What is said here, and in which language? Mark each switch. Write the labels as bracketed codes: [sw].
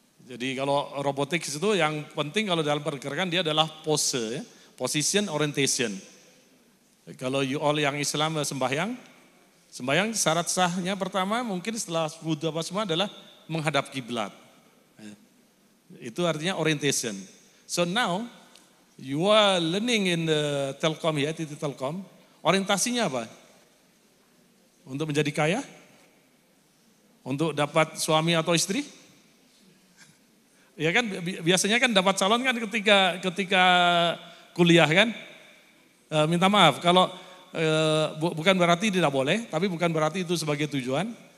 [id] Jadi kalau robotics itu yang penting kalau dalam pergerakan dia adalah pose, ya. Position orientation. Kalau [en] you all [id] yang Islam sembahyang. Sembayang syarat sahnya pertama mungkin setelah wudu apa semua adalah menghadap kiblat. Itu artinya orientation. [en] So now you are learning in the telkom ya, [id] di telkom. Orientasinya apa? Untuk menjadi kaya? Untuk dapat suami atau istri? Ya kan biasanya kan dapat calon kan ketika kuliah kan? Minta maaf kalau bukan berarti tidak boleh, tapi bukan berarti itu sebagai tujuan.